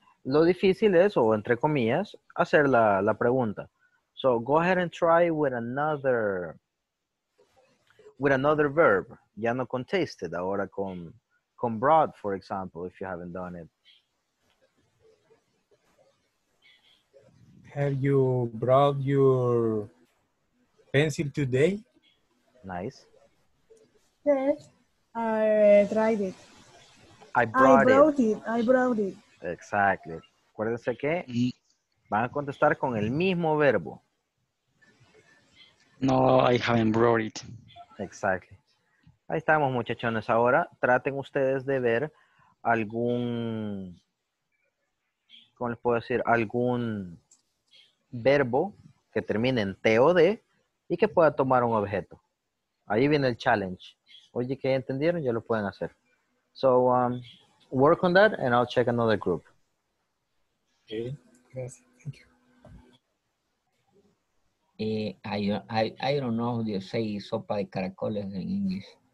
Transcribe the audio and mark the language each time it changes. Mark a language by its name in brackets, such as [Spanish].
[Spanish] Lo difícil es, o entre comillas, hacer la pregunta. [English] So, go ahead and try with another verb. [Spanish] Ya no con [English] tasted, [Spanish] ahora con [English] brought, for example, if you haven't done it. Have you brought your pencil today? Nice. Yes, I tried it. I brought it. Exactly. [Spanish] Acuérdense que van a contestar con el mismo verbo. [English] No, I haven't brought it. Exactly. [Spanish] Ahí estamos, muchachones. Ahora traten ustedes de ver algún, ¿cómo les puedo decir? Algún verbo que termine en T-O-D y que pueda tomar un objeto. Ahí viene el challenge. Oye, ¿qué entendieron? Ya lo pueden hacer. [English] So, work on that and I'll check another group. Okay. Yes, thank you. I don't know how to say [Spanish] sopa de caracoles [English] in English.